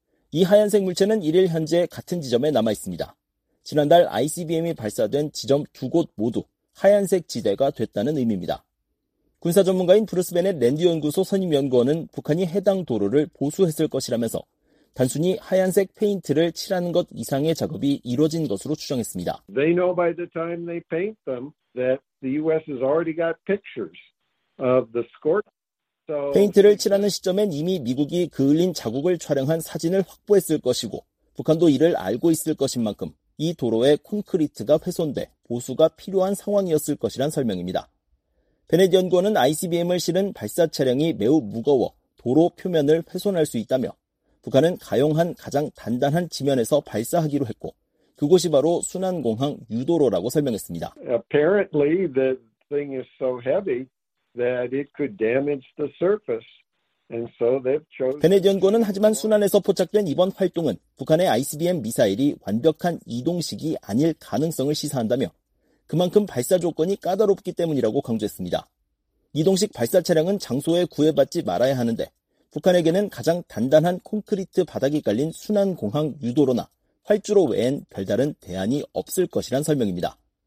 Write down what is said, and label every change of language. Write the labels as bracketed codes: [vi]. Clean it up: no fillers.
[ko] 이 하얀색 물체는 1일 현재 같은 지점에 남아 있습니다. 지난달 ICBM이 발사된 지점 두 곳 모두 하얀색 지대가 됐다는 의미입니다. 군사 전문가인 브루스 베넷 랜드 연구소 선임 연구원은 북한이 해당 도로를 보수했을 것이라면서 단순히 하얀색 페인트를 칠하는 것 이상의 작업이 이루어진 것으로 추정했습니다. [en] They know by the time they paint them that the US has already got pictures of the scorch. [ko] 페인트를 칠하는 시점엔 이미 미국이 그을린 자국을 촬영한 사진을 확보했을 것이고 북한도 이를 알고 있을 것인 만큼 이 도로에 콘크리트가 훼손돼 보수가 필요한 상황이었을 것이란 설명입니다. 베넷 연구원은 ICBM을 실은 발사 차량이 매우 무거워 도로 표면을 훼손할 수 있다며 북한은 가용한 가장 단단한 지면에서 발사하기로 했고 그곳이 바로 순안공항 유도로라고 설명했습니다. [en] Apparently the thing is so heavy that it could damage the surface. And so they've chosen [ko] 베넷 연구원은 하지만 순안에서 포착된 이번 활동은 북한의 ICBM 미사일이 완벽한 이동식이 아닐 가능성을 시사한다며 그만큼 발사 조건이 까다롭기 때문이라고 강조했습니다. 이동식 발사 차량은 장소에 구애받지 말아야 하는데 북한에게는 가장 단단한 콘크리트 바닥이 깔린 순안공항 유도로나 활주로 외엔 별다른 대안이 없을 것이란 설명입니다.